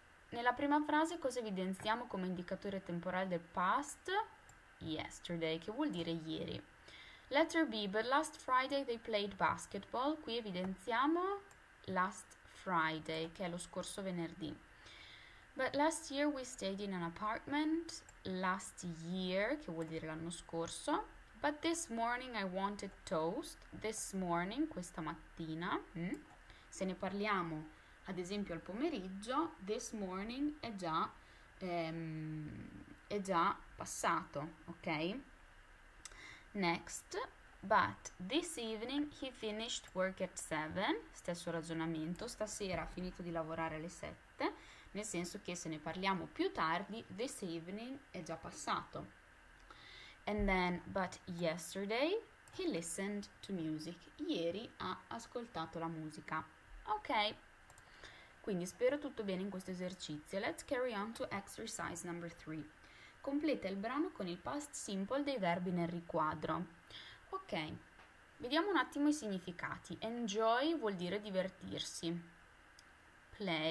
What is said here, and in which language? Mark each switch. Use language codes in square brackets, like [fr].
[it] Nella prima frase cosa evidenziamo come indicatore temporale del past? Yesterday, che vuol dire ieri. [en] Letter B, but last Friday they played basketball. [it] Qui evidenziamo [en] last Friday, [it] che è lo scorso venerdì. [en] But last year we stayed in an apartment. Last year, [it] che vuol dire l'anno scorso. [en] But this morning I wanted toast. [it] This morning, questa mattina. Se ne parliamo ad esempio al pomeriggio, [en] this morning [it] è già passato, ok? Next. [en] But this evening he finished work at 7. [it] Stesso ragionamento, stasera ha finito di lavorare alle 7, nel senso che se ne parliamo più tardi, [en] this evening [it] è già passato. [en] And then, but yesterday he listened to music. [it] Ieri ha ascoltato la musica. Ok, quindi spero tutto bene in questo esercizio. [en] Let's carry on to exercise number 3. [it] Completa il brano con il past simple dei verbi nel riquadro. Ok, vediamo un attimo i significati. Enjoy vuol dire divertirsi. Play.